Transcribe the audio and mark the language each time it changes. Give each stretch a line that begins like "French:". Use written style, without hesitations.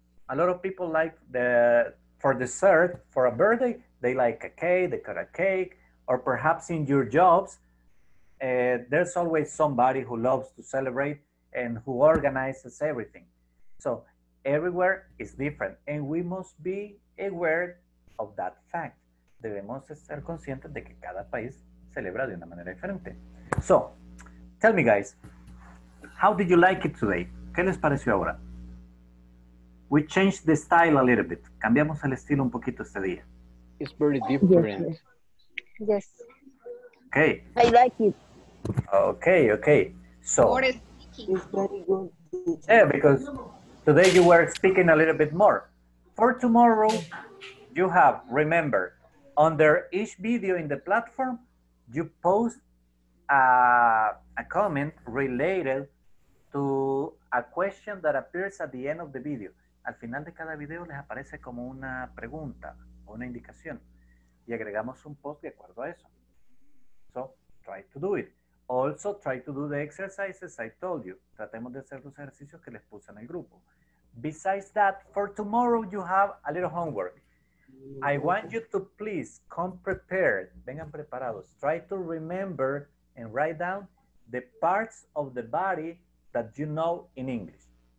English: A lot of people like for dessert, for a birthday, they like a cake, they cut a cake, or perhaps in your jobs, there's always somebody who loves to celebrate and who organizes everything. So everywhere is different and we must be aware of that fact.
Spanish: Debemos ser conscientes de que cada país celebra de una manera diferente.
English: So, tell me guys, how did you like it today?
Spanish: ¿Qué les pareció ahora?
English: We changed the style a little bit.
Spanish: Cambiamos el estilo un poquito este día.
English: It's very different. Yes. Okay. I like it. Okay, okay. So, it's very good. Yeah, because today you were speaking a little bit more. For tomorrow, you have, remember, under each video in the platform, you post a comment related to a question that appears at the end of the video.
Spanish: Al final de cada video les aparece como una pregunta o una indicación. Y agregamos un post de acuerdo a eso.
English: So, try to do it. Also, try to do the exercises I told you.
Spanish: Tratemos de hacer los ejercicios que les puse en el grupo.
English: Besides that, for tomorrow you have a little homework. I want you to please come prepared.
Spanish: Vengan preparados.
English: Try to remember and write down the parts of the body that you know in English.